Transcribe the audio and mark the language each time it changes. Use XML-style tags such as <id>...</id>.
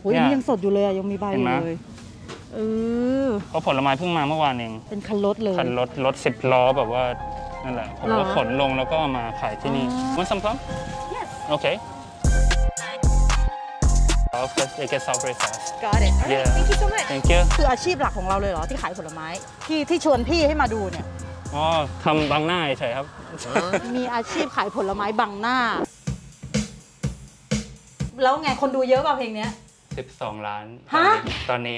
<th>อุ้ยนี่ยังสดอยู่เลยอ่ะยังมีใบอยู่เลยเ พราะผลไม้เพิ่งมาเมื่อวานเอง เป็นคันรถเลย คันรถรถ10ล้อแบบว่านั่นแหละผมก็ขนลงแล้วก็มาขายที่นี่</th> <en>Want some plum? Yes Okay Of course, I guess I'll break fast Got it okay. yeah. Thank you so much Thank you</en> <th>คืออาชีพหลักของเราเลยเหรอที่ขายผลไม้ที่ที่ชวนพี่ให้มาดูเนี่ย อ๋อทำบังหน้าใช่ครับ มีอาชีพขายผลไม้บังหน้าแล้วไงคนดูเยอะป่ะเพลงเนี้ย 12ล้าน ฮะ ตอนนี้</th>